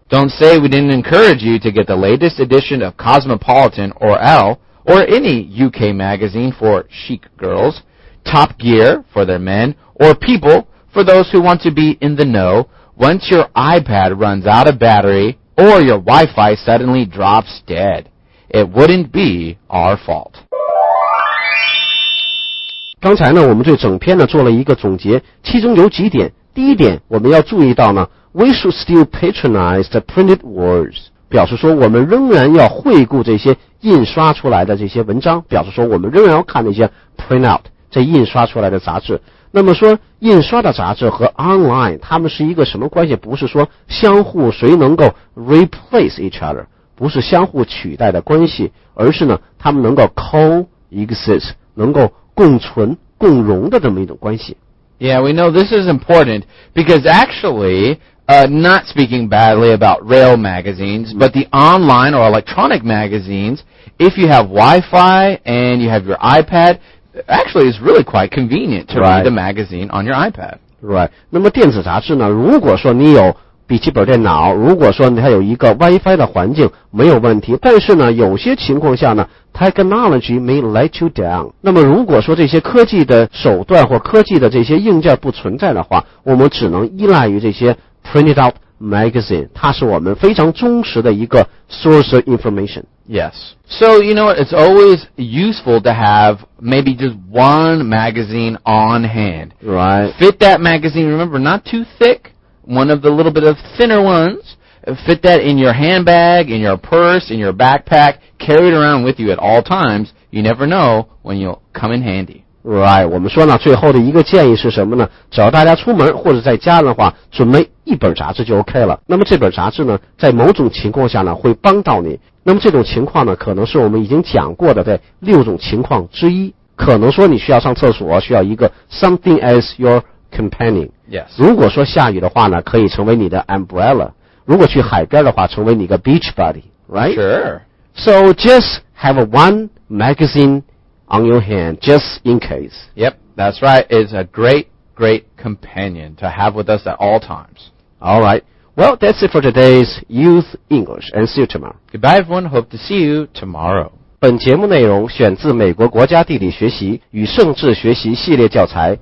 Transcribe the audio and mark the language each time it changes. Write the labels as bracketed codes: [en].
[en] Don't say we didn't encourage you to get the latest edition of Cosmopolitan or Elle, or any UK magazine for chic girls, Top Gear for their men, or People for those who want to be in the know once your iPad runs out of battery or your Wi-Fi suddenly drops dead. It wouldn't be our fault. [zh] 刚才呢，我们对整篇呢做了一个总结，其中有几点。第一点，我们要注意到呢 ， we should still patronize the printed words，表示说我们仍然要惠顾这些印刷出来的这些文章，表示说我们仍然要看那些 print out 这印刷出来的杂志。那么说，印刷的杂志和 online 它们是一个什么关系？不是说相互谁能够 replace each other，不是相互取代的关系，而是呢，它们能够 coexist， 能够共存共荣的这么一种关系。 [en] Yeah, we know this is important because actually, not speaking badly about rail magazines, but the online or electronic magazines, if you have Wi-Fi and you have your iPad, actually it's really quite convenient to read the magazine on your iPad. Right. [zh] 那么电子杂志呢，如果说你有笔记本电脑，如果说它有一个 Wi-Fi 的环境，没有问题。但是呢，有些情况下呢 ， technology may let you down。那么如果说这些科技的手段或科技的这些硬件不存在的话，我们只能依赖于这些 printed out magazine，它是我们非常忠实的一个 source of information。 [en] Yes. So you know, it's always useful to have maybe just one magazine on hand. Right. Fit that magazine. Remember, not too thick. One of the little bit of thinner ones, fit that in your handbag, in your purse, in your backpack, carry it around with you at all times. You never know when you'll come in handy. [zh] Right, 我们说呢，最后的一个建议是什么呢？只要大家出门或者在家的话，准备一本杂志就 OK 了。那么这本杂志呢，在某种情况下呢，会帮到你。那么这种情况呢，可能是我们已经讲过的在六种情况之一。可能说你需要上厕所，需要一个 something as your companion。 [en] Yes. [zh] 如果说下雨的话呢，可以成为你的 umbrella。如果去海边的话，成为你个 beach buddy, right? [en] Sure. So just have one magazine on your hand, just in case. Yep, that's right. It's a great, great companion to have with us at all times. All right. Well, that's it for today's Youth English, and see you tomorrow. Goodbye, everyone. Hope to see you tomorrow. [zh] 本节目内容选自美国国家地理学习与政治学习系列教材。